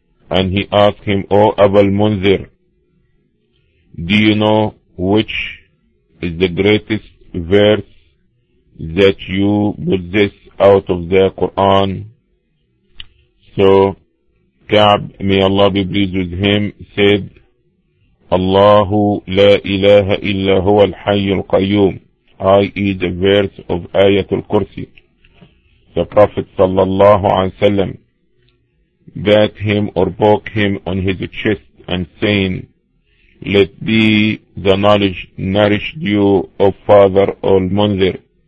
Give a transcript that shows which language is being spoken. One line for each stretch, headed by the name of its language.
English: And he asked him, O Aba al-Munzir, do you know which is the greatest verse that you possess out of the Quran? So Ka'b, may Allah be pleased with him, said,
Arabic: الله لا إله إلا هو الحي القيوم,
English: i.e. the verse of Ayatul Kursi. The Prophet sallallahu alaihi wasallam bat him or poke him on his chest and saying, let be the knowledge nourished you, O Father al-Munzir.